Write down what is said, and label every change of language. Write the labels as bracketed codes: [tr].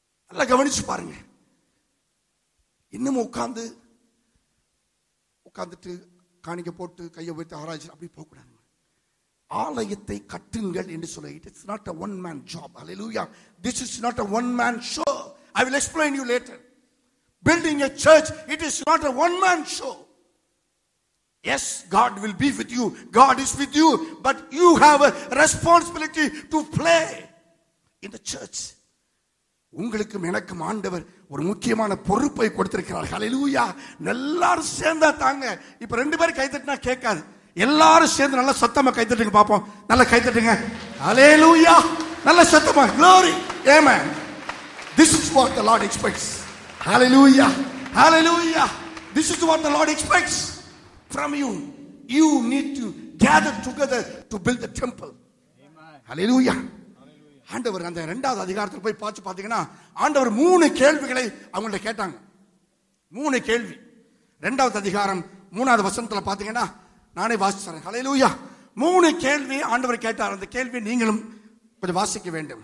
[ta] நல்லா கவனிச்சு பாருங்க. இன்னும் உட்கார்ந்து உட்கார்ந்துட்டு காணிக்க போட்டு கையை வைத்து ஆராய்ச்சி அப்படி போக கூடாது. ஆலயத்தை கட்டுங்கள் என்று சொல்ல, [en] It is not a one man job. Hallelujah. This is not a one man show. I will explain you later. Building a church, it is not a one man show. Yes, God will be with you. God is with you. But you have a responsibility to play in the church. [ta] உங்களுக்கும் எனக்கும் ஆண்டவர் ஒரு முக்கியமான பொறுப்பை கொடுத்திருக்கிறார். ஹல்லேலூயா. எல்லாரும் சேர்ந்தா தாங்க. இப்ப ரெண்டு பேரும் கைதட்டினா கேட்காது. எல்லாரும் சேர்ந்து நல்ல சத்தமா கைதட்டுங்க பாப்போம். நல்ல கைதட்டுங்க. ஹல்லேலூயா. நல்ல சத்தமா glory. Amen. [en] This is what the Lord expects. Hallelujah. Hallelujah. This is what the Lord expects from you. You need to gather together to build the temple. Hallelujah. [ta] ஆண்டவர் அந்த இரண்டாவது அதிகாரத்தில் போய் பார்த்து பார்த்தீங்கன்னா ஆண்டவர் மூணு கேள்விகளை அவங்கள்ட்ட கேட்டாங்க. மூணு கேள்வி. இரண்டாவது அதிகாரம் மூணாவது வசனத்தில் பார்த்தீங்கன்னா, நானே வாசிச்சேன். ஹல்லேலூயா. மூணு கேள்வி ஆண்டவர் கேட்டார். அந்த கேள்வி நீங்களும் கொஞ்சம் வாசிக்க வேண்டும்.